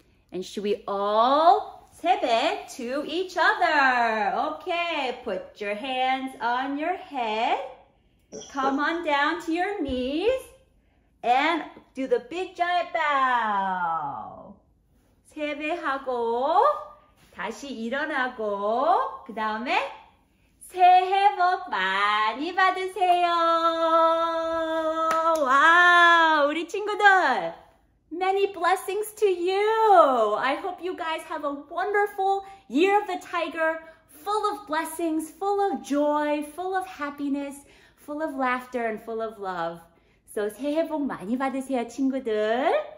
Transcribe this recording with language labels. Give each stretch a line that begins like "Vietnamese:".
English: And should we all 세배 to each other? Okay, put your hands on your head. Come on down to your knees and do the big giant bow.
Korean: 세배하고 다시 일어나고 그 다음에 새해 복 많이 받으세요. 와, 우리 친구들.
English: Many blessings to you. I hope you guys have a wonderful year of the tiger, full of blessings, full of joy, full of happiness, full of laughter, and full of love.
Korean: So 새해 복 많이 받으세요, 친구들.